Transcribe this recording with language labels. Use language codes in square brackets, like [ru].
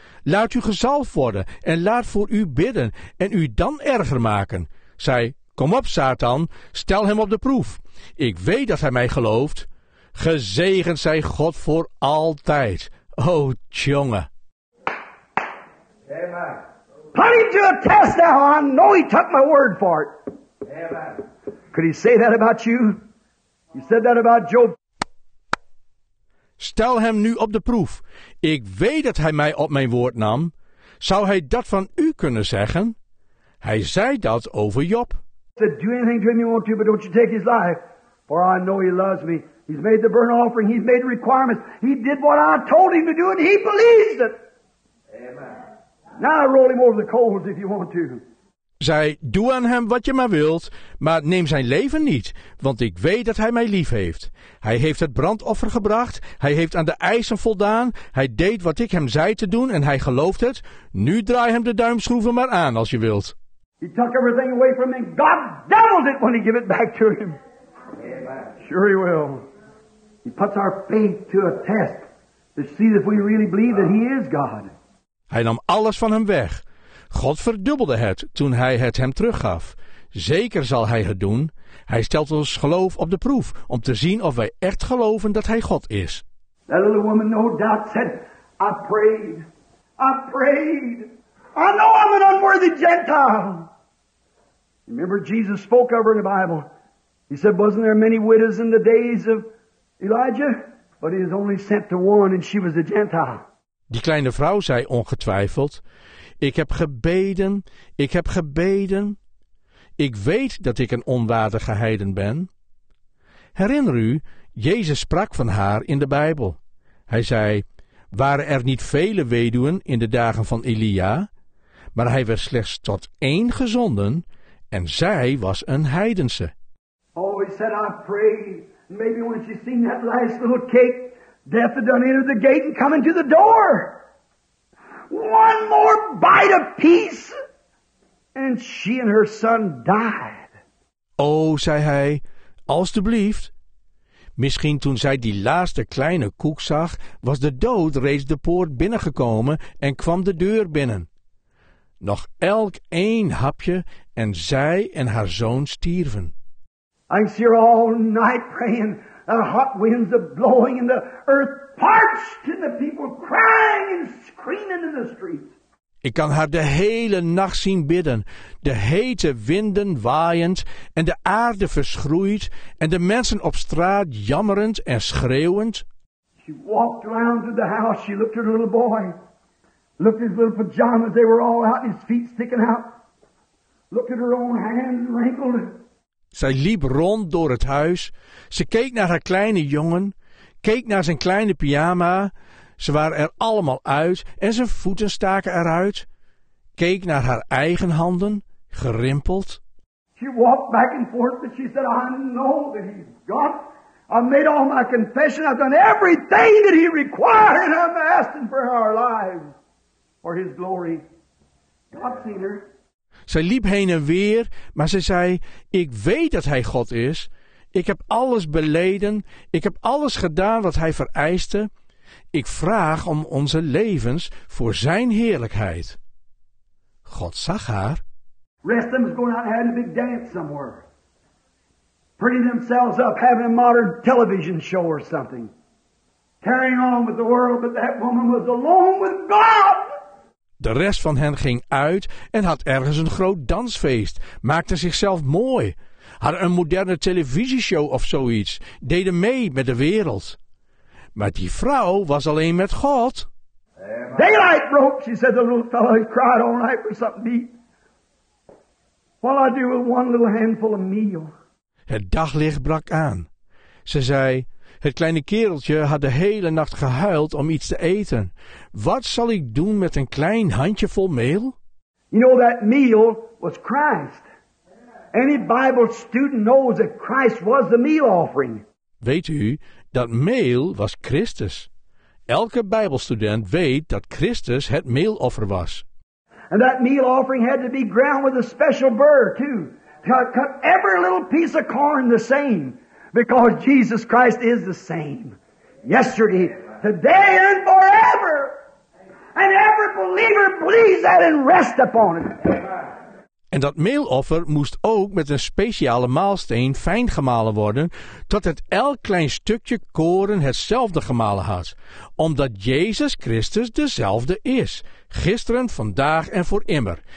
[nl] Laat u gezalfd worden en laat voor u bidden en u dan erger maken. Zij, kom op Satan, stel hem op de proef. Ik weet dat hij mij gelooft. Gezegend zij God voor altijd. O, tjonge. Amen. [en] Put him to a test now. I know he took my word for it. Could he say that about you? He said that about Job. [nl] Stel hem nu op de proef. Ik weet dat hij mij op mijn woord nam. Zou hij dat van u kunnen zeggen? Hij zei dat over Job. [en] Do anything to him you want to, but don't you take his life. For I know he loves me. He's made the burnt offering. He's made the requirements. He did what I told him to do, and he believes it. Amen. Now roll him over the coals if you want to. [nl] Zij, doe aan hem wat je maar wilt, maar neem zijn leven niet, want ik weet dat hij mij lief heeft. Hij heeft het brandoffer gebracht, hij heeft aan de eisen voldaan, hij deed wat ik hem zei te doen en hij gelooft het. Nu draai hem de duimschroeven maar aan als je wilt. [en] He took everything away from him. God doubled it when he gave it back to him. Amen. Sure he will. He puts our faith to a test to see if we really believe that he is God. [nl] Hij nam alles van hem weg. God verdubbelde het toen hij het hem teruggaf. Zeker zal hij het doen. Hij stelt ons geloof op de proef om te zien of wij echt geloven dat hij God is. [en] That little woman no doubt said, I prayed. I prayed. I know I'm an unworthy Gentile. Remember Jesus spoke of her in the Bible. He said, wasn't there many widows in the days of Elijah? But he was only sent to one and she was a Gentile. [nl] Die kleine vrouw zei ongetwijfeld, ik heb gebeden, ik heb gebeden. Ik weet dat ik een onwaardige heiden ben. Herinner u, Jezus sprak van haar in de Bijbel. Hij zei, waren er niet vele weduwen in de dagen van Elia? Maar hij werd slechts tot één gezonden en zij was een heidense. [en] Oh, he said, I pray. Maybe when she seen that last little cake, death had done enter the gate and come into the door. One more bite of peace. And she and her son died. [nl] Oh, zei hij, alstublieft. Misschien toen zij die laatste kleine koek zag, was de dood reeds de poort binnengekomen en kwam de deur binnen. Nog elk één hapje en zij en haar zoon stierven. [en] I see her all night praying. The hot winds are blowing and the earth parched and the people crying and screaming in the streets. [nl] Ik kan haar de hele nacht zien bidden, de hete winden waaiend en de aarde verschroeid en de mensen op straat jammerend en schreeuwend. [en] She walked around to the house, she looked at her little boy, looked at his little pajamas, they were all out, his feet sticking out, looked at her own hands wrinkled. [nl] Zij liep rond door het huis. Ze keek naar haar kleine jongen. Keek naar zijn kleine pyjama. Ze waren er allemaal uit en zijn voeten staken eruit. Keek naar haar eigen handen, gerimpeld. [en] She walked back and forth, but she said, I know that he's God. I've made all my confession. I've done everything that he required. And I'm asking for our lives, for his glory. God seen her. [nl] Zij liep heen en weer, maar ze zei, ik weet dat hij God is. Ik heb alles beleden, ik heb alles gedaan wat hij vereiste. Ik vraag om onze levens voor zijn heerlijkheid. God zag haar. [en] Rest of them is going out and having a big dance somewhere. Putting themselves up, having a modern television show or something. Carrying on with the world, but that woman was alone with God. [nl] De rest van hen ging uit en had ergens een groot dansfeest, maakte zichzelf mooi, had een moderne televisieshow of zoiets, deden mee met de wereld. Maar die vrouw was alleen met God. [en] Daylight broke, she said, the little fellow, he cried all night for something to eat. What'll I do with one little handful of meal? [nl] Het daglicht brak aan. Ze zei, het kleine kereltje had de hele nacht gehuild om iets te eten. Wat zal ik doen met een klein handjevol meel? [en] You know that meal was Christ. Any Bible student knows that Christ was the meal offering. [nl] Weet u, dat meel was Christus. Elke Bijbelstudent weet dat Christus het meeloffer was. [en] And that meal offering had to be ground with a special burr too. God cut every little piece of corn the same. Because Jesus Christ is the same, yesterday, today, and forever. And every believer believes that and rests upon it. [nl] En dat meeloffer moest ook met een speciale maalsteen fijn gemalen worden, tot het elk klein stukje koren hetzelfde gemalen had. Omdat Jezus Christus dezelfde is, gisteren, vandaag en voor immer.